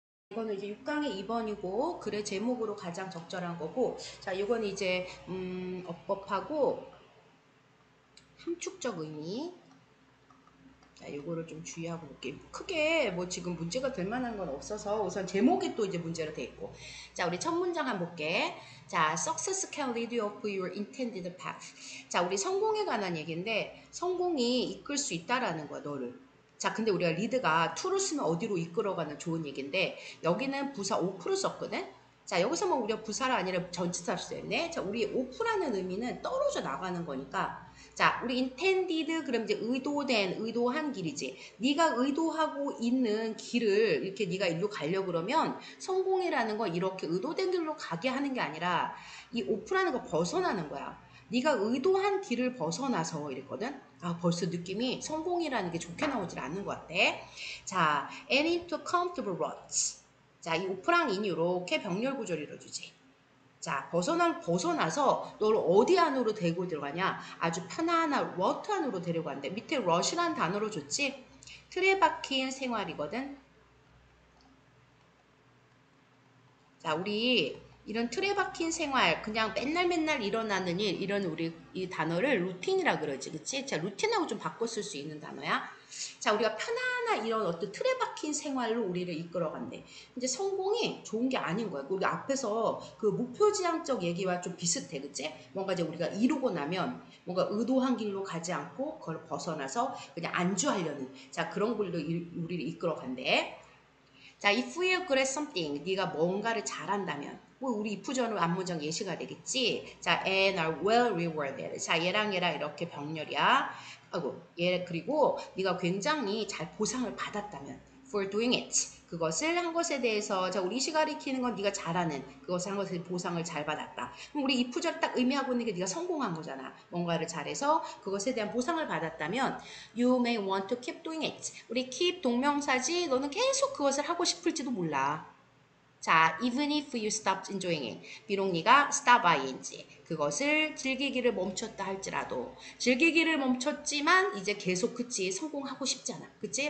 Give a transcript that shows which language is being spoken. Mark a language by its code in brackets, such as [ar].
[ko] 이거는 이제 6강의 2번이고 글의 제목으로 가장 적절한 거고, 자, 이건 이제 어법하고 함축적 의미. 자, 요거를 좀 주의하고 볼게요. 크게 뭐 지금 문제가 될 만한 건 없어서 우선 제목이 또 이제 문제로 돼 있고. 자, 우리 첫 문장 한번 볼게. [en] 자, success can lead you up your intended path. [ko] 자, 우리 성공에 관한 얘기인데 성공이 이끌 수 있다라는 거야, 너를. 자, 근데 우리가 리드가 to를 쓰면 어디로 이끌어가는 좋은 얘기인데 여기는 부사 오프를 썼거든? 자, 여기서만 우리가 부사를 아니라 전치사를 써야겠네. 자, 우리 오프라는 의미는 떨어져 나가는 거니까. 자, 우리 intended, 그럼 이제 의도된, 의도한 길이지. 네가 의도하고 있는 길을 이렇게 네가 일로 가려고 그러면 성공이라는 건 이렇게 의도된 길로 가게 하는 게 아니라 이 오프라는 거 벗어나는 거야. 네가 의도한 길을 벗어나서 이랬거든. 아, 벌써 느낌이 성공이라는 게 좋게 나오질 않는 것 같아. [en] 자, and into comfortable ruts. [ko] 자, 이 오프랑 인 이렇게 병렬 구조를 이뤄주지. 자, 벗어나서 너를 어디 안으로 데리고 들어가냐? 아주 편안한 워트 안으로 데려가는데, 밑에 러시란 단어로 줬지? 틀에 박힌 생활이거든. 자, 우리 이런 틀에 박힌 생활, 그냥 맨날 일어나는 일, 이런 우리 이 단어를 루틴이라 그러지, 그치? 자, 루틴하고 좀 바꿔 쓸수 있는 단어야. 자, 우리가 편안한 이런 어떤 틀에 박힌 생활로 우리를 이끌어간대. 이제 성공이 좋은 게 아닌 거야. 우리 앞에서 그 목표지향적 얘기와 좀 비슷해, 그치? 뭔가 이제 우리가 이루고 나면 뭔가 의도한 길로 가지 않고 그걸 벗어나서 그냥 안주하려는, 자, 그런 길로 우리를 이끌어간대. [en] 자, if you're good at something, [ko] 네가 뭔가를 잘한다면. 뭐 우리 if전으로 앞문장 예시가 되겠지. [en] 자, and are well rewarded. [ko] 자, 얘랑 이렇게 병렬이야. 아이고, 얘 그리고 네가 굉장히 잘 보상을 받았다면, [en] for doing it, [ko] 그것을 한 것에 대해서. 자, 우리 시가 리키는 건 네가 잘하는 그것을 한 것에 보상을 잘 받았다. 그럼 우리 if전 딱 의미하고 있는 게 네가 성공한 거잖아. 뭔가를 잘해서 그것에 대한 보상을 받았다면, [en] you may want to keep doing it. [ko] 우리 keep 동명사지. 너는 계속 그것을 하고 싶을지도 몰라. 자, [en] even if you stopped enjoying it, [ko] 비록 네가 stop ing, 그것을 즐기기를 멈췄다 할지라도, 즐기기를 멈췄지만 이제 계속, 그치, 성공하고 싶잖아, 그치?